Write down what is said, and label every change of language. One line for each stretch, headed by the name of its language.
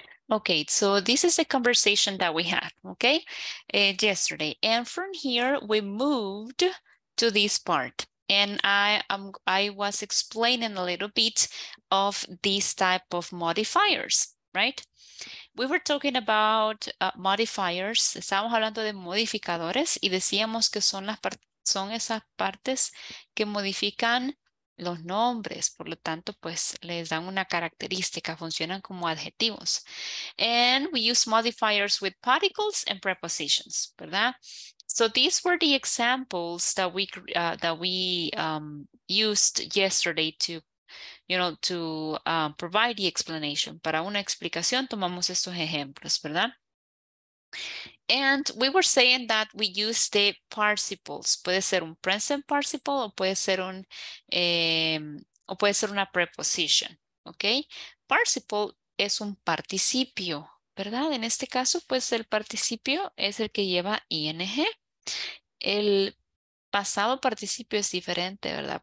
English: Okay, so this is the conversation that we had, okay, yesterday. And from here, we moved to this part. And I was explaining a little bit of this type of modifiers, right? We were talking about modifiers.
Spanish: Estábamos hablando de modificadores y decíamos que son esas partes que modifican los nombres, por lo tanto, pues les dan una característica, funcionan como adjetivos.
English: And we use modifiers with particles and prepositions, ¿verdad? So these were the examples that we used yesterday to, you know, to provide the explanation.
Spanish: Para una explicación tomamos estos ejemplos, ¿verdad?
English: And we were saying that we use the participles.
Spanish: Puede ser un present participle o puede ser un o puede ser una preposition, ¿okay? Participle es un participio, ¿verdad? En este caso, pues el participio es el que lleva ing. El pasado participio es diferente, ¿verdad?